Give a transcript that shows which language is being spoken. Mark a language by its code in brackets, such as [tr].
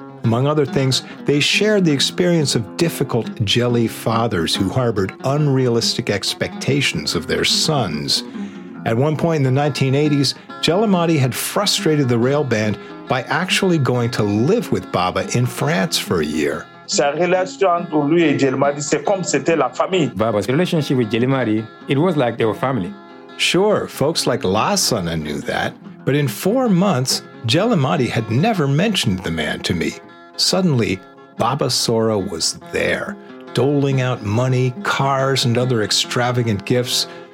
[en] Among other things, they shared the experience of difficult Djeli fathers who harbored unrealistic expectations of their sons. At one point in the 1980s, Djelimadi had frustrated the rail band by actually going to live with Baba in France for a year. [fr] sa relation entre lui et Jelimari, c'est comme c'était la famille. [en] Baba's relationship with Jelimari, it was like they were family. Sure, folks like Lasana knew that. But in 4 months, Jelimari had never mentioned the man to me. Suddenly, Baba Sora was there, doling out money, cars, and other extravagant gifts.